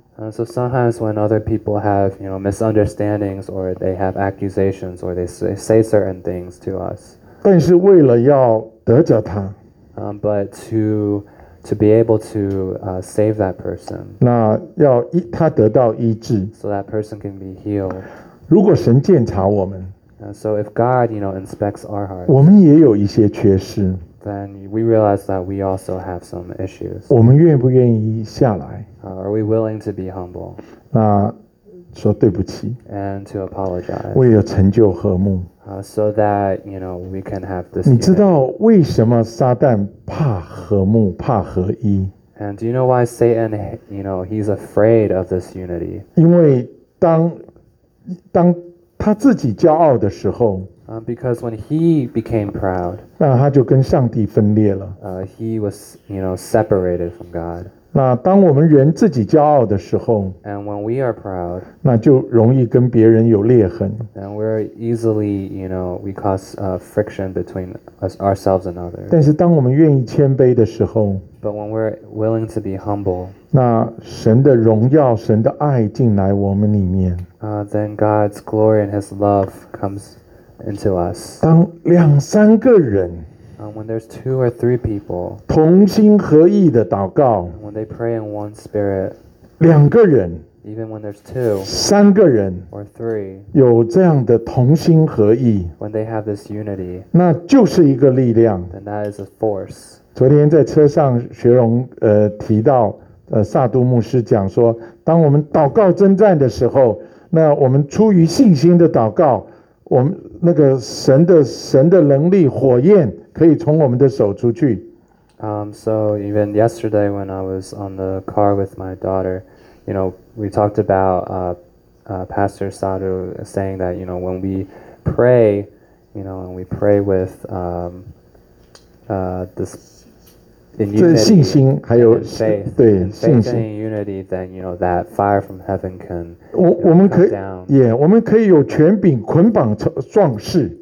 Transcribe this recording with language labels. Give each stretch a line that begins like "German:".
English: So sometimes when other people have, you know, misunderstandings or they have accusations or they say certain things to us.
Chinese: 但是为了要得着他。
English: But to be able to save that person.
Chinese: 那要他得到医治。
English: So that person can be healed.
Chinese: 如果神检查我们。
English: So if God, you know, inspects our hearts,
Chinese: 我们也有一些缺失。
English: Then we realize that we also have some issues.
Chinese: 我们愿不愿意下来？
English: Are we willing to be humble?
Chinese: 那说对不起。
English: And to apologize.
Chinese: 为了成就和睦。
English: So that, you know, we can have this.
Chinese: 你知道为什么撒旦怕和睦，怕合一？
English: And do you know why Satan, you know, he's afraid of this unity?
Chinese: 因为当他自己骄傲的时候
English: because when he became proud,
Chinese: 那他就跟上帝分裂了。
English: He was, you know, separated from God.
Chinese: 那当我们人自己骄傲的时候
English: and when we are proud,
Chinese: 那就容易跟别人有裂痕。
English: And we're easily, you know, we cause friction between us, ourselves and others.
Chinese: 但是当我们愿意谦卑的时候
English: but when we're willing to be humble,
Chinese: 那神的荣耀、神的爱进来我们里面。
English: Then God's glory and His love comes into us.
Chinese: 当两三个人
English: when there's two or three people,
Chinese: 同心合意的祷告
English: when they pray in one spirit,
Chinese: 两个人
English: even when there's two,
Chinese: 三个人
English: or three,
Chinese: 有这样的同心合意
English: when they have this unity,
Chinese: 那就是一个力量
English: then that is a force.
Chinese: 昨天在车上学荣提到萨都牧师讲说当我们祷告征战的时候那我们出于信心的祷告，我们那个神的能力火焰可以从我们的手出去。
English: So even yesterday when I was on the car with my daughter, you know, we talked about Pastor Sadhu saying that, you know, when we pray, you know, and we pray with this in unity,
Chinese: 信心, 还有,
English: in faith,
Chinese: 对,
English: faith
Chinese: 信心,
English: and in unity, then, you know, that fire from heaven can,
Chinese: 我们可以,
English: come down.
Chinese: Yeah, 我们可以有权柄, 捆绑壮士,